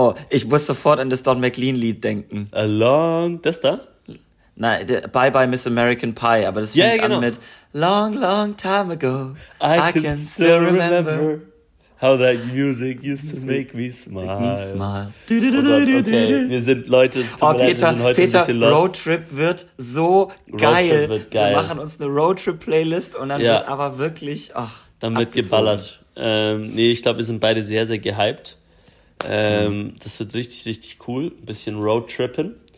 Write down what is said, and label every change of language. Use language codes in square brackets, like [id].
[de] Ich muss sofort an das Don McLean-Lied denken. Das da? Nein, Bye Bye Miss American Pie, aber das fängt an mit [en] Long, long time ago, I can still remember how that music used to make me smile. [de] Wir sind Leute, Peter, sind heute Roadtrip wird so geil. Wir machen uns eine Roadtrip-Playlist und dann wird aber wirklich dann wird geballert. Ich glaube, wir sind beide sehr, sehr gehypt. Das wird richtig, richtig cool. Ein bisschen Roadtrippen.